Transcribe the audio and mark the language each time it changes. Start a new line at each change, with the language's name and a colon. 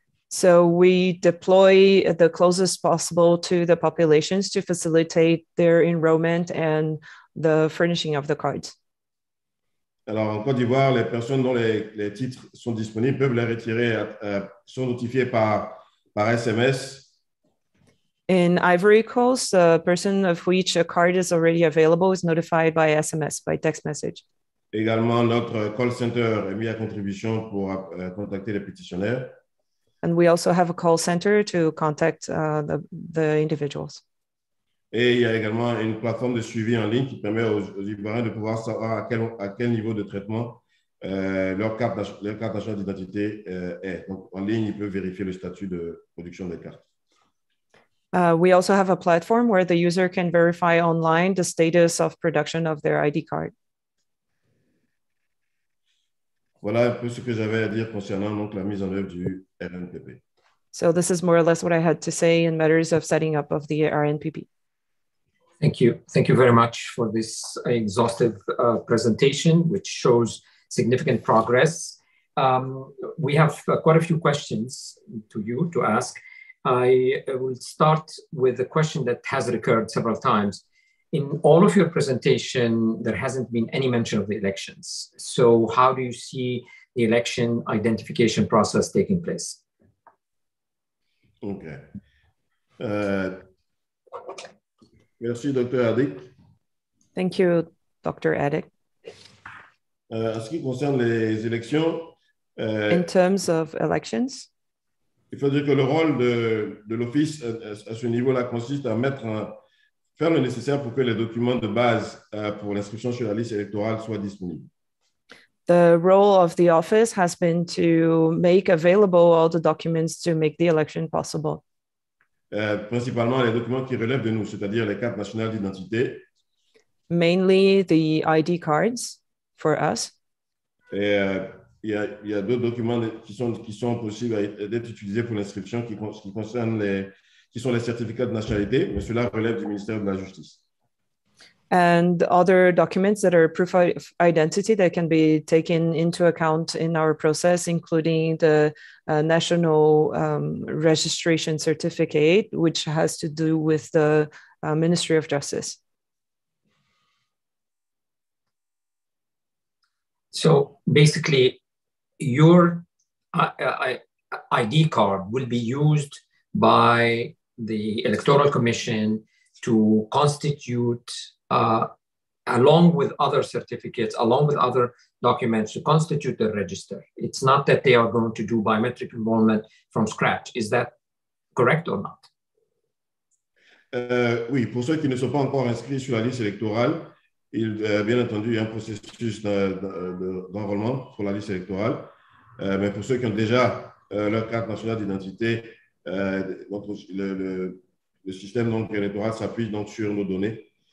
English: So we deploy the closest possible to the populations to facilitate their enrollment and the furnishing of the cards.
French: Alors en Côte d'Ivoire, les personnes dont les titres sont disponibles peuvent les retirer, sont notifiées par SMS.
English: In Ivory Coast, a person of which a card is already available is notified by SMS, by text message.
French: Également, notre call center est mis à contribution pour contacter les pétitionnaires.
English: And we also have a call center to contact the individuals.
French: Et il y a également une plateforme de suivi en ligne qui permet aux Ivoiriens de pouvoir savoir à quel niveau de traitement leur carte nationale d'identité est. Donc en ligne, ils peuvent vérifier le statut de production des cartes.
English: We also have a platform where the user can verify online the status of production of their ID card.
French: Voilà un peu ce que j'avais à dire concernant donc la mise en œuvre du RNPP.
English: So this is more or less what I had to say in matters of setting up of the RNPP. Thank you. Thank you very much for this exhaustive presentation, which shows significant progress. We have quite a few questions to you to ask. I will start with a question that has recurred several times. In all of your presentation, there hasn't been any mention of the elections. So how do you see the election identification process taking place? Okay.
French: Merci, Dr. Attick.
English: Thank you, Dr. Attick.
French: En ce qui concerne les élections,
English: in terms of elections,
French: il faut dire que le rôle de l'office à ce niveau-là consiste à faire le nécessaire pour que les documents de base pour l'inscription sur la liste électorale soient disponibles.
English: The role of the office has been to make available all the documents to make the election possible.
French: Principalement les documents qui relèvent de nous, c'est-à-dire les cartes nationales d'identité.
English: Mainly the ID cards for us.
French: Et il y a d'autres documents qui sont possibles d'être utilisés pour l'inscription qui sont les certificats de nationalité, mais cela relève du ministère de la Justice.
English: And other documents that are proof of identity that can be taken into account in our process, including the national registration certificate, which has to do with the Ministry of Justice. So basically, your ID card will be used by the Electoral Commission to constitute along with other certificates, along with other documents to constitute the register. It's not that they are going to do biometric enrollment from scratch. Is that correct or not?
French: Oui, pour ceux qui ne sont pas encore inscrits sur la liste électorale, bien entendu, il y a un processus d'enrôlement sur la liste électorale. Mais pour ceux qui ont déjà leur carte nationale d'identité, le système donc électoral s'appuie donc sur nos données.